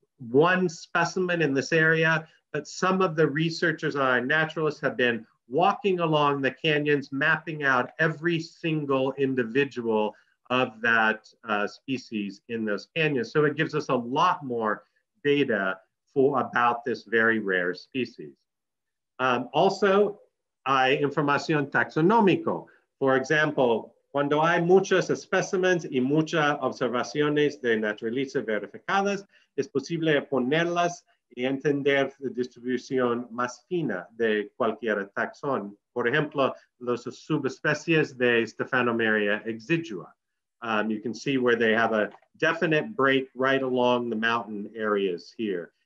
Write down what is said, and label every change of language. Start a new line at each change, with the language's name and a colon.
English: One specimen in this area, but some of the researchers on iNaturalist have been walking along the canyons, mapping out every single individual of that species in those canyons. So it gives us a lot more data for about this very rare species.
Spanish: Also, hay información taxonómico.
English: For example,
Spanish: cuando hay muchos especímenes y muchas observaciones de naturaleza verificadas, es posible ponerlas y entender la distribución más fina de cualquier taxón. Por ejemplo, las subespecies de Stephanomeria exigua.
English: You can see where they have a definite break right along the mountain areas here.